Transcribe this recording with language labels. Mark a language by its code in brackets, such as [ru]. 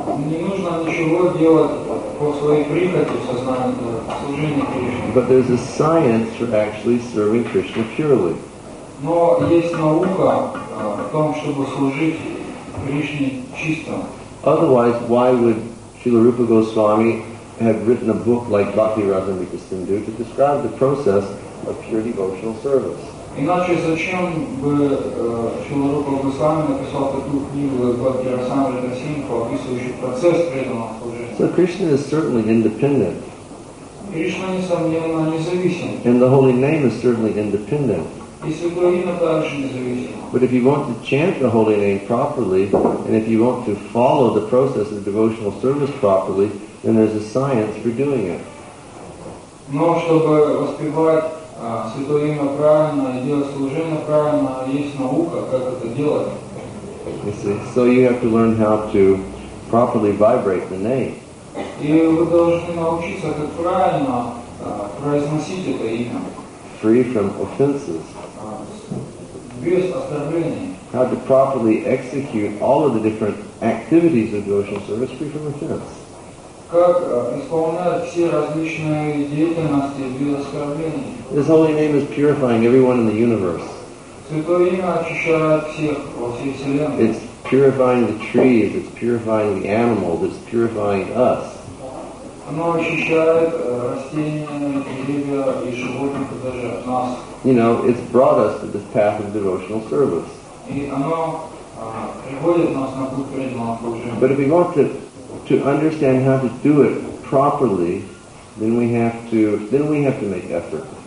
[ru] Не нужно ничего делать по своей прихоти в сознании служения Кришне. [en] But there's a science for actually serving Krishna purely. [ru] Но есть наука в том, чтобы служить Кришне чисто. [en] Otherwise, why would Srila Rupa Goswami have written a book like Bhakti Rasamrita Sindhu to describe the process of pure devotional service? [ru] Иначе зачем бы Шрила Рупа Госвами написал такую книгу Бхакти Расамрита Сингху, описывающую процесс преданного служения? [en] So Krishna is certainly independent. [ru] Кришна, несомненно, независим. [en] And the holy name is certainly independent. [ru] И святое имя также независимо. [en] But if you want to chant the holy name properly, and if you want to follow the process of devotional service properly, then there's a science for doing it. [ru] Но чтобы воспевать святое имя правильно и делать служение правильно, есть наука, как это делать. [en] You see, so you have to learn how to properly vibrate the name. [ru] И вы должны научиться, как правильно произносить это имя. [en] Free from offenses. [ru] Без оскорблений. [en] How to properly execute all of the different activities of devotional service free from offense. [ru] Как исполнять все различные деятельности без оскорблений. [en] This holy name is purifying everyone in the universe. [ru] Святое имя очищает всех во всей вселенной. [en] It's purifying the trees, it's purifying the animals, it's purifying us. [ru] Оно очищает растения, деревья и животных, и даже нас. [en] You know, it's brought us to this path of devotional service. But if we want to understand how to do it properly, then we have to make effort.